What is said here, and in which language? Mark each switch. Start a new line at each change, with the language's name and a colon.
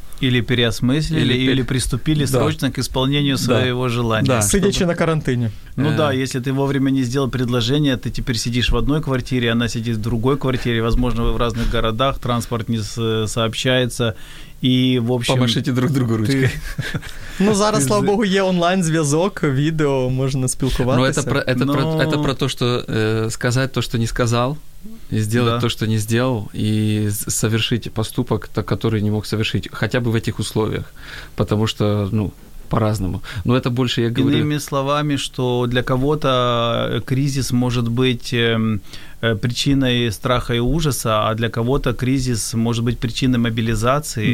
Russian: Или переосмыслили, или приступили срочно к исполнению своего желания. Да. Сидячи на карантине. Да, если ты вовремя не сделал предложение, ты теперь сидишь в одной квартире, она сидит в другой квартире, возможно, вы в разных городах, транспорт не сообщается. И, в общем, помашите друг другу ручкой.
Ukrainian: Ну, зараз, слава богу, є онлайн-зв'язок, відео, можна спілкуватися.
Russian: Это про то, что сказать то, что не сказал, и сделать то, что не сделал, и совершить поступок, который не мог совершить, хотя бы в этих условиях. Потому что, по-разному. Но это больше я говорю... Иными словами, что для кого-то кризис может быть причиной страха и ужаса, а для кого-то кризис может быть причиной мобилизации,